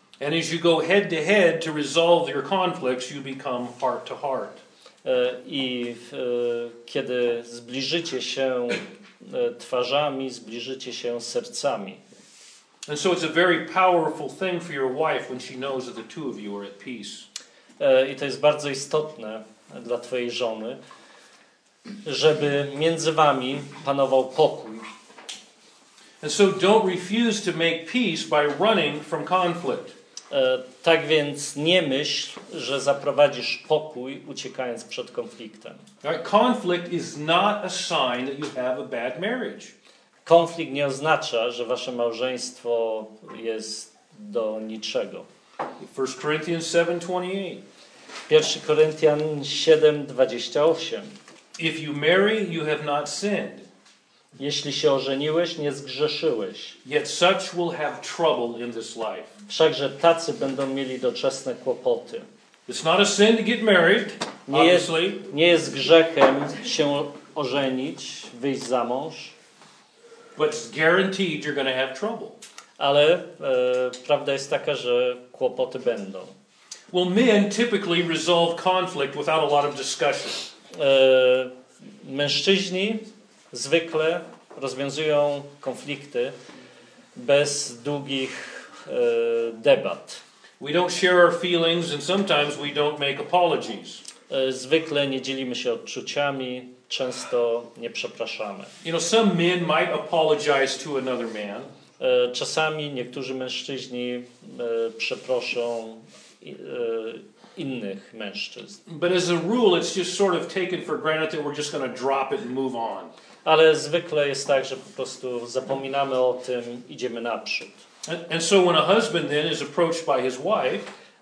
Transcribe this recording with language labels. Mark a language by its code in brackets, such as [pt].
[en] And as you go head to head to resolve your conflicts, you become heart to heart. [pl] I kiedy zbliżycie się twarzami, zbliżycie się sercami. [en] And so it's a very powerful thing for your wife when she knows that the two of you are at peace. [pl] I to jest bardzo istotne dla twojej żony, żeby między wami panował pokój. [en] And so don't refuse to make peace by running from conflict. [pl] Tak więc nie myśl, że zaprowadzisz pokój, uciekając przed konfliktem. [en] Right? Conflict is not a sign that you have a bad marriage. [pl] Konflikt nie oznacza, że wasze małżeństwo jest do niczego. [en] 1 Corinthians 7:28. [pl] 1 Koryntian 7:28. [en] If you marry, you have not sinned. [pl] Jeśli się ożeniłeś, nie zgrzeszyłeś. [en] Yet such will have trouble in this life. [pl] Wszakże tacy będą mieli doczesne kłopoty. [en] It's not a sin to get married, [pl] nie jest, nie jest grzechem się ożenić, wyjść za mąż. [en] But it's guaranteed you're going to have trouble. [pl] Ale prawda jest taka, że kłopoty będą. [en] Well, men typically resolve conflict without a lot of discussion. [pl] Mężczyźni zwykle rozwiązują konflikty bez długich debat. [en] We don't share our feelings and sometimes we don't make apologies. [pl] Zwykle nie dzielimy się odczuciami, często nie przepraszamy. [en] You know, some men might apologize to another man. [pl] Czasami niektórzy mężczyźni przeproszą innych mężczyzn. [en] But as a rule, it's just sort of taken for granted that we're just going to drop it and move on. [pl] Ale zwykle jest tak, że po prostu zapominamy o tym, idziemy naprzód. [en] And so when a husband then is approached by his wife,